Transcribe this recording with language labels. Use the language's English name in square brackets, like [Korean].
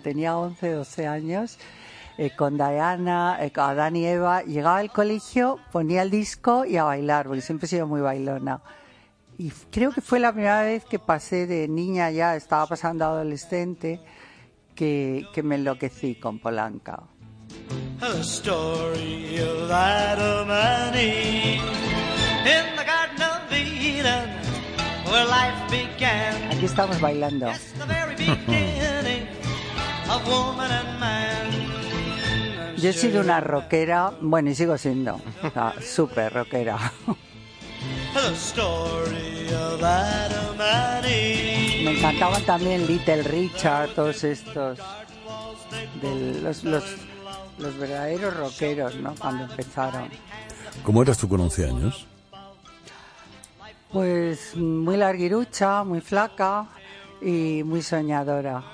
[Spanish] Tenía 11, 12 años, con Diana, a Adán y Eva. Llegaba al colegio, ponía el disco y a bailar, porque siempre he sido muy bailona. Y creo que fue la primera vez que pasé de niña ya, estaba pasando a adolescente, que me enloquecí con Paul Anka. [English] The story of Adam and Eve in the Garden of Eden, where life began. [Spanish] Aquí estamos bailando. [English] It's the very beginning of woman and man. [Spanish] Yo he sido una rockera, bueno, y sigo siendo, súper rockera. [English] The story of Adam and Eve. [Spanish] Me encantaban también Little Richard, todos estos de los verdaderos rockeros, ¿no? Cuando empezaron. ¿Cómo eras tú con 11 años? Pues muy larguirucha, muy flaca y muy soñadora.